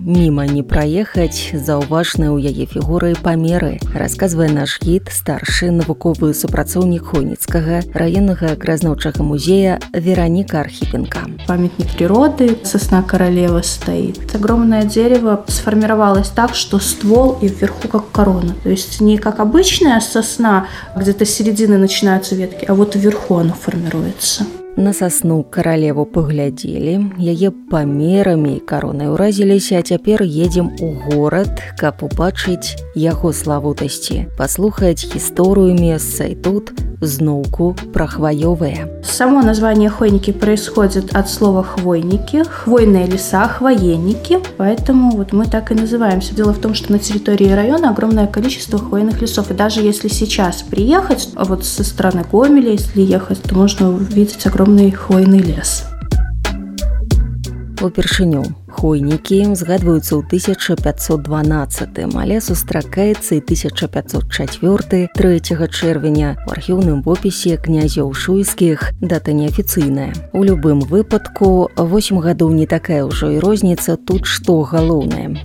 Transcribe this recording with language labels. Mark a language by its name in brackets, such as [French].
[Belarusian] Міма не праехаць, заўважны ў яе фігуры памеры, расказвае наш гід, старшы навуковы супрацоўнік Хойніцкага раённага краязнаўчага музея Вероніка Архіпенка. Памятнік прыроды, сасна каралева стаіць. Агромнае дзерава сфарміравалася так, што ствол і [Russian] вверху как [Belarusian] карона. [Russian] То есть не как обычная сасна, где-то середины начинаются ветки, а вот вверху она формируется. [Belarusian] На сасну каралеву паглядзелі, яе памерамі і каронай уразіліся, а цяпер едзем у горад, каб убачыць яго славутасці, паслухаць гісторыю месца і тут зноўку пра хваёвае. [Russian] Само названне Хойнікі происходит ад слова хвойнікі, хвойныя леса, хваенікі, поэтому вот мы так і называемся. Дело в том, что на территории района огромное количество хвойных лесов, и даже если сейчас приехать, вот со стороны Гомеля, если ехать, то можно увидеть огромный хвойный лес. [Belarusian] Упершыню. Хойнікі згадваюцца ў 1512-м, але сустракаецца і 1504-й, 3 чэрвеня, у архіўным вопісе князёў шуйскіх, дата неафіцыйная. У любым выпадку, 8 гадоў не такая ўжо і розніца, тут што галоўнае.